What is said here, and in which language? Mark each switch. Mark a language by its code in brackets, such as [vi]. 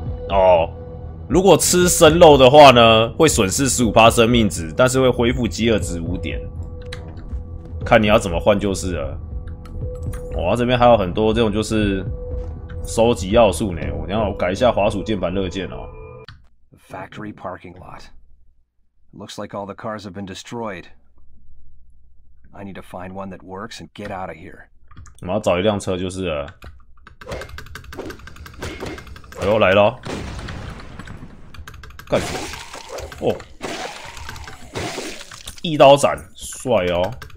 [zh] 哦，如果吃生肉的话呢，会损失 15% 生命值，但是会恢复饥饿值5点。看你要怎么换就是了。哇，这边还有很多这种就是收集要素呢。我等一下我改一下滑鼠键盘乐键哦。 [en] Factory parking lot. Looks like all the cars have been destroyed. I need to find one that works and get out of here. [zh] 我要找一辆车就是了。哎呦，来了！干！哦，一刀斩，帅哦！